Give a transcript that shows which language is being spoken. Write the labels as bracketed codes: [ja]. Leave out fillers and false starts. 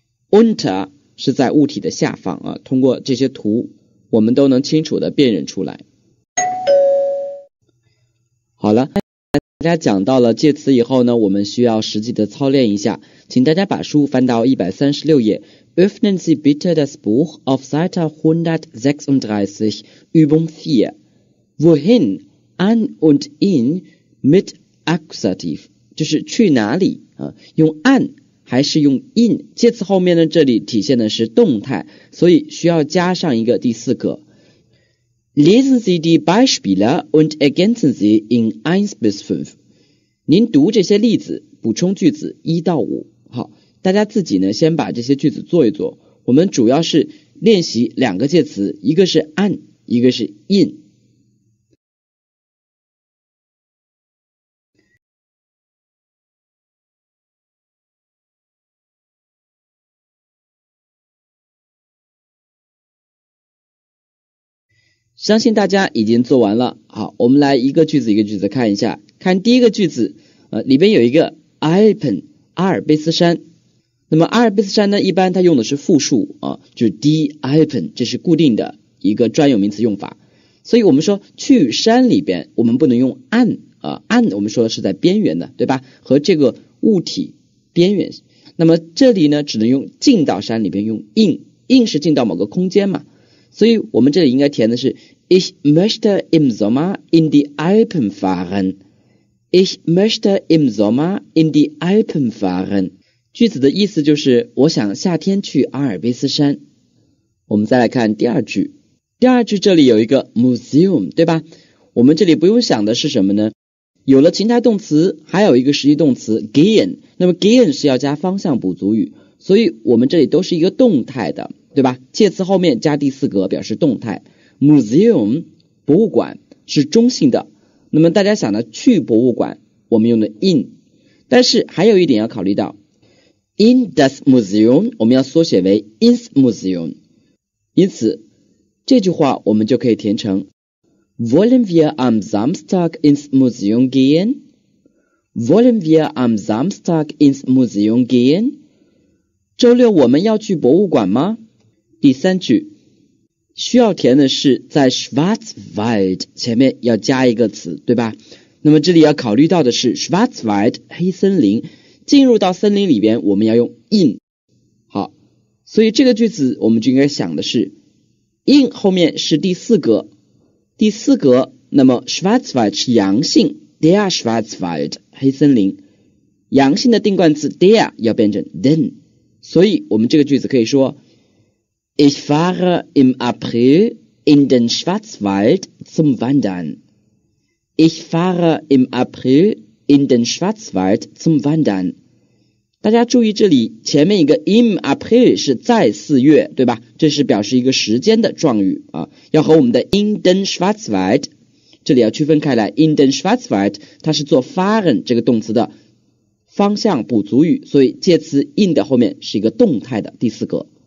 [zh] Unter 是在物体的下方啊，通过这些图，我们都能清楚的辨认出来。好了，大家讲到了介词以后呢，我们需要实际的操练一下，请大家把书翻到136页。 [de] Öffnen Sie bitte das Buch auf Seite 136, Übung 4. Wohin? An und in mit Akkusativ， [zh] 就是去哪里啊，用 an。还是用 in 介词后面呢？这里体现的是动态，所以需要加上一个第四个。 [de] Lesen Sie die Beispiele und ergänzen Sie in 1 bis 5。 [zh] 您读这些例子，补充句子一到五。好，大家自己呢先把这些句子做一做。我们主要是练习两个介词，一个是 an，一个是 in。相信大家已经做完了。好，我们来一个句子一个句子看一下。看第一个句子，里边有一个 Alpen 阿尔卑斯山。那么阿尔卑斯山呢，一般它用的是复数啊，就是 die Alpen， 这是固定的一个专有名词用法。所以我们说去山里边，我们不能用 an 啊 ，an 我们说的是在边缘的，对吧？和这个物体边缘。那么这里呢，只能用进到山里边，用 in 是进到某个空间嘛。所以我们这里应该填的是 [de] Ich möchte im Sommer in die Alpen fahren. Ich möchte im Sommer in die Alpen fahren. [zh] 句子的意思就是我想夏天去阿尔卑斯山。我们再来看第二句。第二句这里有一个 Museum， 对吧？我们这里不用想的是什么呢？有了情态动词，还有一个实际动词 gehen。那么 gehen 是要加方向补足语，所以我们这里都是一个动态的，对吧？介词后面加第四格表示动态。Museum 博物馆是中性的，那么大家想到去博物馆，我们用的 in。但是还有一点要考虑到 ，in das Museum 我们要缩写为 ins Museum。因此，这句话我们就可以填成 [de] Wollen wir am Samstag ins Museum gehen? Wollen wir am Samstag ins Museum gehen? [zh] 周六我们要去博物馆吗？第三句需要填的是在 Schwarzwald 前面要加一个词，对吧？那么这里要考虑到的是 Schwarzwald 黑森林，进入到森林里边我们要用 in。好，所以这个句子我们就应该想的是 in 后面是第四格，第四格那么 Schwarzwald 是阳性 der Schwarzwald 黑森林，阳性的定冠词 der 要变成 den， 所以我们这个句子可以说 [de] Ich fahre im April in den Schwarzwald zum Wandern. Ich fahre im April in den Schwarzwald zum Wandern. [zh] 大家注意这里，前面一个 im April 是在四月，对吧？这是表示一个时间的状语啊，要和我们的 in den Schwarzwald 这里要区分开来。 in den Schwarzwald 它是做 fahren 这个动词的方向补足语，所以介词 in 的后面是一个动态的第四格。